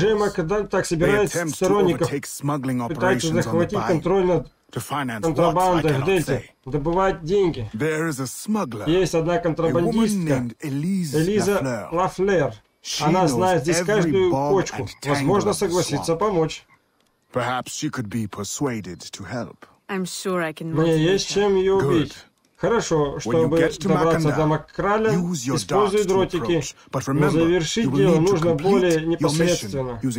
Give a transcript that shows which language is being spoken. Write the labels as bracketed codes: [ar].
[en] They attempt to overtake smuggling operations on the bay. To finance what I cannot say. [ru] Добывать деньги. [en] There is a smuggler. [ru] Есть одна контрабандистка. Элиза Лафлер. Она знает здесь каждую кочку. Возможно, согласится помочь. [en] Perhaps she could be persuaded to help. I'm sure I can. [ru] Мне есть чем ее убить. Хорошо, чтобы добраться до Маккраля, используй дротики, но завершить дело нужно более непосредственно.